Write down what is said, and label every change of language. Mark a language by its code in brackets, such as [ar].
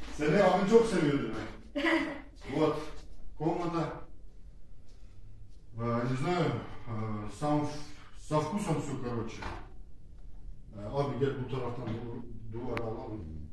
[tr] Seni abin çok seviyor demek. [ru] Вот. Комната. Не знаю. Сам со вкусом все, короче. [tr] Abi gel bu taraftan duvar alalım.